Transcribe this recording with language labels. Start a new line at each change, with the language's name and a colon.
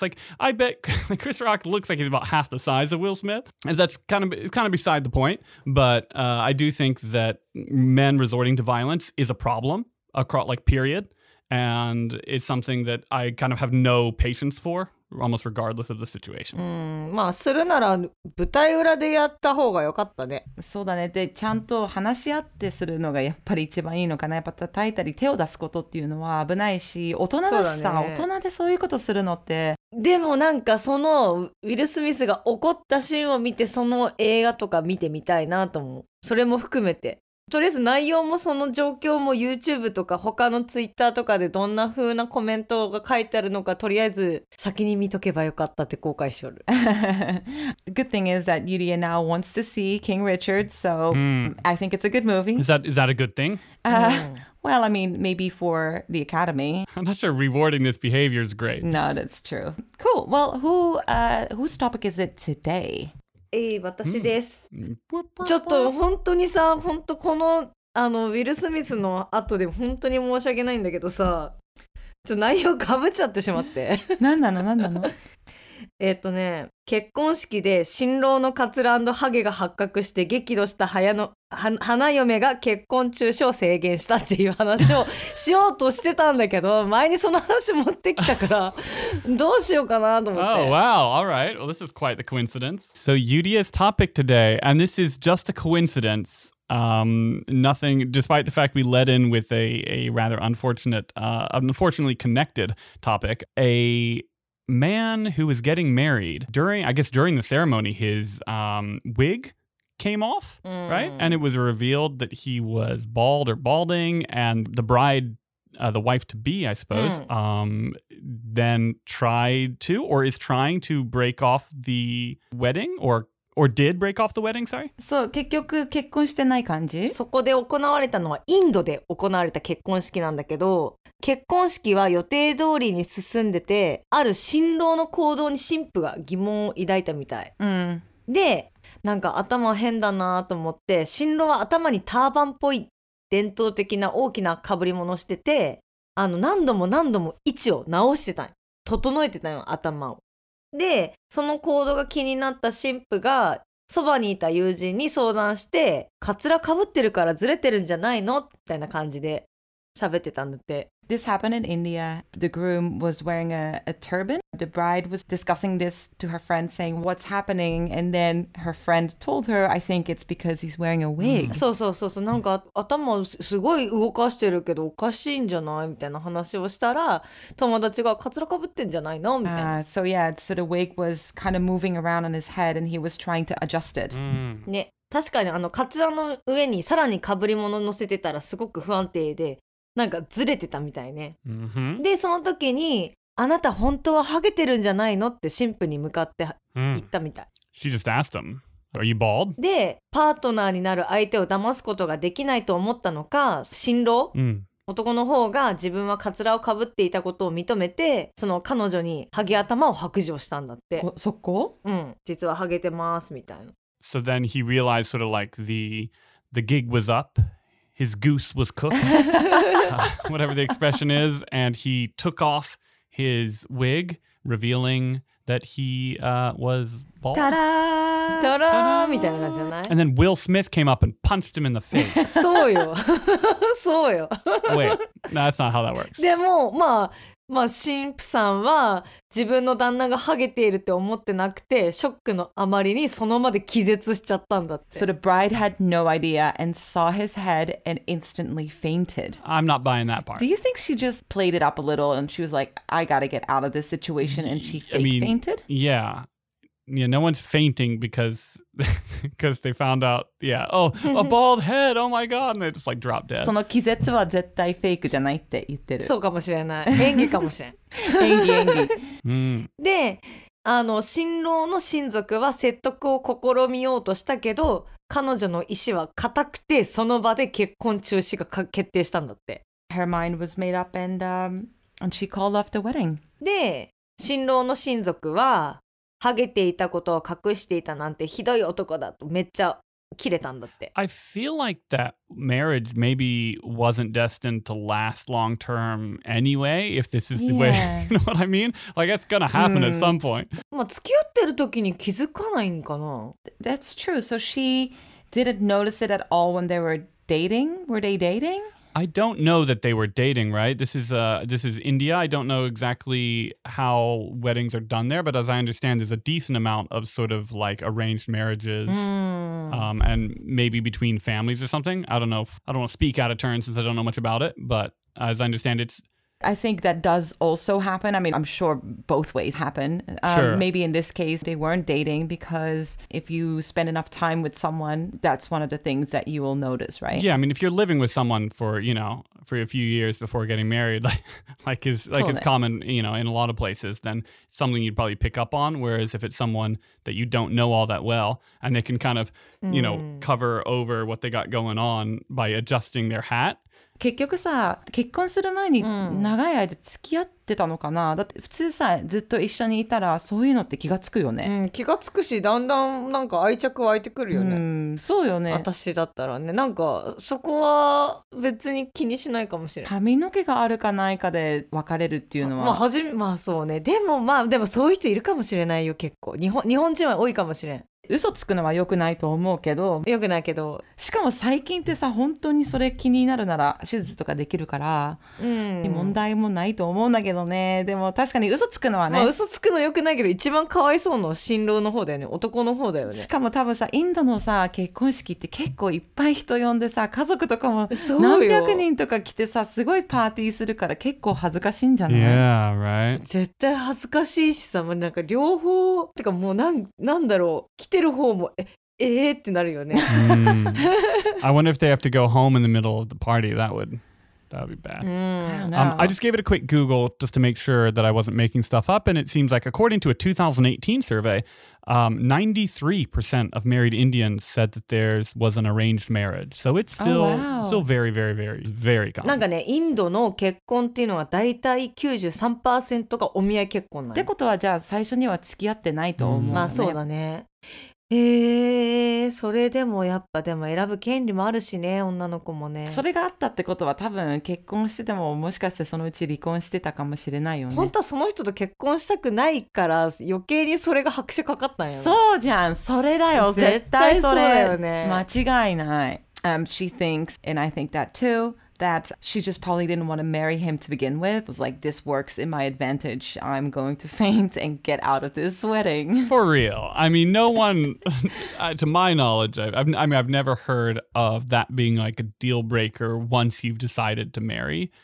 English: Like, I bet Chris Rock looks like he's about half the size of Will Smith, and that's kind of beside the point. But I do think that men resorting to violence is a problem across, like, period. And it's something that I kind of have no patience for, almost regardless of the situation.
Japanese: まあするなら舞台裏でやった方が良かったね。そうだね。で、ちゃんと話し合ってするのがやっぱり一番いいのかな。やっぱ叩いたり手を出すことっていうのは危ないし、大人だしさ、大人でそういうことするのって。でもなんかそのウィル・スミスが怒ったシーンを見て、その映画とか見てみたいなと思う。それも含めて。とりあえず内容もその状況も YouTube とか他の Twitter とかでどんな風なコメントが書いてあるのか、とりあえず先に見とけばよかったって後悔しよる。
English: The good thing is that Yuria now wants to see King Richard, so I think it's a good movie. Is that a good thing? Well, I mean, maybe for the Academy. I'm not sure rewarding this behavior is great. No, that's true. Cool. Well, whose topic is it today?
Japanese: 私です。ちょっと本当にさ、本当このあのウィル・スミスの後で本当に申し訳ないんだけどさ、ちょ内容かぶっちゃってしまって。何なの？結婚式で新郎のカツラ&ハゲが発覚して激怒した花嫁が結婚中止を制限したっていう話をしようとしてたんだけど、前にその話持ってきたからどうしようかなと思って。
English: Oh, wow. All right. Well, this is quite the coincidence. So, Yuria's topic today, and this is just a coincidence. Nothing, despite the fact we led in with a rather unfortunately connected topic, a... man who was getting married during the ceremony, his wig came off, right? And it was revealed that he was bald or balding, and the bride, the wife-to-be, I suppose, then tried to, or is trying to break off the wedding, or did break off the wedding, sorry?
Japanese: そう、結局結婚してない感じ？そこで行われたのはインドで行われた結婚式なんだけど、結婚式は予定通りに進んでて、ある新郎の行動に新婦が疑問を抱いたみたい。で、なんか頭変だなと思って、新郎は頭にターバンっぽい伝統的な大きな被り物をしてて、あの何度も何度も位置を直してたん。整えてたんよ、頭を。で、その行動が気になった新婦が、そばにいた友人に相談して、カツラ被ってるからずれてるんじゃないの？みたいな感じで喋ってたんだって。
English: This happened in India. The groom was wearing a turban. The bride was discussing this to her friend, saying, what's happening? And then her friend told her, I think it's because he's wearing a wig.
Japanese: そうそうそうそう。なんか頭すごい動かしてるけどおかしいんじゃない？みたいな話をしたら、友達がカツラかぶってんじゃないの？みたいな。
English: So yeah, so the wig was kind of moving around on his head and he was trying to adjust it.
Japanese: ね。確かにあのカツラの上にさらに被り物乗せてたらすごく不安定でなんかずれてたみたいね、 mm-hmm. でその時にあなた本当はハゲてるんじゃないのって新婦に向かって言ったみたい、
English: mm. She just asked him Are you bald?
Japanese: でパートナーになる相手を騙すことができないと思ったのか新郎、 mm. 男の方が自分はカツラを被っていたことを認めてその彼女にハゲ頭を白状したんだってそこ、うん、実はハゲてますみたいな
English: So then he realized sort of like the gig was up, his goose was cooked, 、whatever the expression is, and he took off his wig, revealing that he was bald. Ta-da! Ta-da!
Japanese: みたいな感じじゃない?
English: And then Will Smith came up and punched him in the face.
Japanese: そうよ。そうよ。
English: Wait, no, that's not how that works.
Japanese: でも、まあ、まあ、神父さんは自分の旦那がハゲているって思ってなくてショックのあまりにそのまで気絶しちゃったんだって
English: So the bride had no idea and saw his head and instantly fainted I'm not buying that part Do you think she just played it up a little and she was like I gotta get out of this situation and she fake fainted? Yeah. Yeah, no one's fainting because they found out yeah, oh, a bald head, oh my god, and they just like drop dead.
Japanese: その気絶は絶対フェイクじゃないって言ってる。そうかもしれない。演技かもしれん。演技演技。で、あの新郎の親族は説得を試みようとしたけど、彼女の意思は固くてその場で結婚中止が決定したんだって。
English: Her mind was made up and she called off the wedding.
Japanese: で、新郎の親族はハゲていたことを隠していたなんてひどい男だとめっちゃ切れたんだって。
English: I feel like that marriage maybe wasn't destined to last long term anyway, if this is the way, you know what I mean? Like, that's gonna happen at some point.
Japanese: まあ、付き合ってる時に気づかないんかな?
English: That's true. So she didn't notice it at all when they were dating? Were they dating? I don't know that they were dating, right? This is India. I don't know exactly how weddings are done there, but as I understand, there's a decent amount of sort of like arranged marriages, and maybe between families or something. I don't know. I don't want to speak out of turn since I don't know much about it, but as I understand, it's... I think that does also happen. I mean, I'm sure both ways happen. Sure. Maybe in this case, they weren't dating because if you spend enough time with someone, that's one of the things that you will notice, right? Yeah, I mean, if you're living with someone for, you know, for a few years before getting married, like it's common, you know, in a lot of places, then something you'd probably pick up on. Whereas if it's someone that you don't know all that well and they can kind of, you know, cover over what they got going on by adjusting their hat,
Japanese: 結局さ、結婚する前に長い間付き合ってたのかな、うん、だって普通さ、ずっと一緒にいたらそういうのって気がつくよね。うん、気がつくし、だんだんなんか愛着湧いてくるよね。うん、そうよね。私だったらね、なんかそこは別に気にしないかもしれない。髪の毛があるかないかで別れるっていうのは。まあ、まあそうね。でもまあ、でもそういう人いるかもしれないよ、結構。日本人は多いかもしれん。嘘つくのは良くないと思うけど良くないけどしかも最近ってさ本当にそれ気になるなら手術とかできるから、うん、問題もないと思うんだけどねでも確かに嘘つくのはね、まあ、嘘つくの良くないけど一番かわいそうの新郎の方だよね男の方だよねしかも多分さインドのさ結婚式って結構いっぱい人呼んでさ家族とかも何百人とか来てさすごいパーティーするから結構恥ずかしいんじゃない
English: Yeah, right
Japanese: 絶対恥ずかしいしさもうなんか両方ってかもうなんだろう来てる方もええってなるよね。
English: I wonder if they have to go home in the middle of the party. That would be bad. I just gave it a quick Google just to make sure that I wasn't making stuff up, and it seems like according to a 2018 survey, 93% of married Indians said that theirs was an arranged marriage. So it's still,、still very, very, very, very common.
Japanese: なんかね、インドの結婚っていうのはだいたい 93% がお見合い結婚なの。ってことはじゃあ最初には付き合ってないと思う、ね。まあそうだね。それでもやっぱでも選ぶ権利もあるしね女の子もねそれがあったってことは多分結婚しててももしかしてそのうち離婚してたかもしれないよね本当はその人と結婚したくないから余計にそれが拍車かかったんやろそうじゃんそれだよ絶対それ絶対そうだよね間違いない
English: She thinks and I think that too that she just probably didn't want to marry him to begin with. It was like, this works in my advantage. I'm going to faint and get out of this wedding. For real. I mean, no one, to my knowledge, I've never heard of that being like a deal breaker once you've decided to marry.